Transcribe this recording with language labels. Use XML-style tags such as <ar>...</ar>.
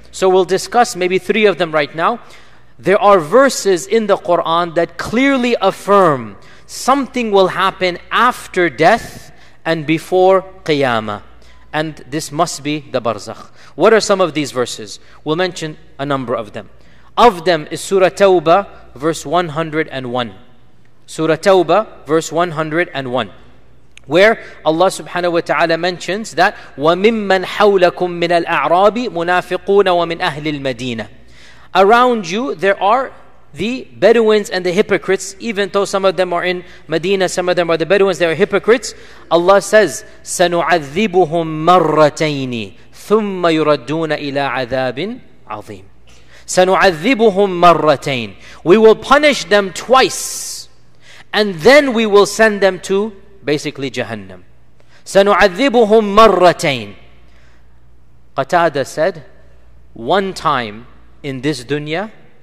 <en>So we'll discuss maybe 3 of them right now. There are verses in the Quran that clearly affirm something will happen after death and before Qiyamah. And this must be the Barzakh. What are some of these verses? We'll mention a number of them. Of them is Surah Tawbah, verse 101. Surah Tawbah, verse 101. Where Allah subhanahu wa ta'ala mentions that,</en> <ar>وَمِمَّنْ حَوْلَكُمْ مِنَ الْأَعْرَابِ مُنَافِقُونَ وَمِنْ أَهْلِ الْمَدِينَةِ.</ar> <en>Around you, there are the Bedouins and the hypocrites, even though some of them are in Medina, some of them are the Bedouins, they are hypocrites. Allah says,</en> <ar>سَنُعَذِّبُهُمْ مَرَّتَيْنِ ثُمَّ يُرَدُّونَ إِلَىٰ عَذَابٍ عَظِيمٍ. سَنُعَذِّبُهُمْ مَرَّتَيْنِ.</ar> <en>We will punish them twice, and then we will send them to basically Jahannam.</en> <ar>سَنُعَذِّبُهُمْ مَرَّتَيْنِ.</ar> <en>Qatada said, one time in this dunya,</en>